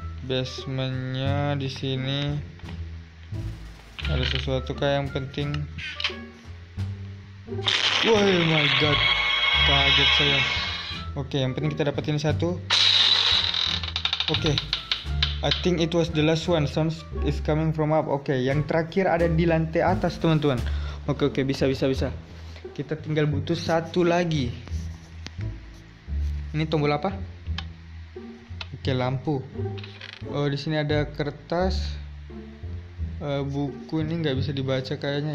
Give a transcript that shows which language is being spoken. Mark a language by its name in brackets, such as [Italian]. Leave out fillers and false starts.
[Indonesian] Basementnya di sini. ada sesuatu kayak yang penting. [English] Oh my god, [Indonesian] kaget saya. Oke, yang penting kita dapetin satu. [English] Oke, I think it was the last one. Sounds is coming from up. [Indonesian] Oke, yang terakhir ada di lantai atas, teman-teman. Oke, bisa. Kita tinggal butuh satu lagi. Ini tombol apa? Oke, lampu. Oh, di sini ada kertas. Buku ini nggak bisa dibaca kayaknya.